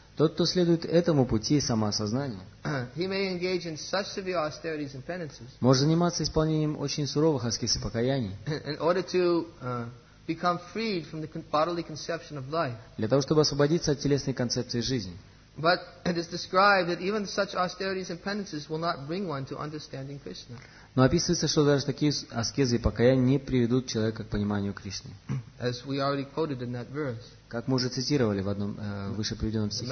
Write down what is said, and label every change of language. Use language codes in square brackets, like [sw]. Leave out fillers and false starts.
[ru] Тот, кто следует этому пути самоосознания, [en] he may engage in such severe austerities and penances. [ru] Может заниматься исполнением очень суровых аскез и покаяний. [en] In order to become freed from the bodily conception of life. [ru] Для того, чтобы освободиться от телесной концепции жизни. [en] But it is described that even such austerities and penances will not bring one to understanding Krishna. [ru] Но описывается, что даже такие аскезы и покаяния не приведут человека к пониманию Кришны. [en] As we already quoted in that verse. [ru] Как мы уже цитировали в одном выше приведенном стихе.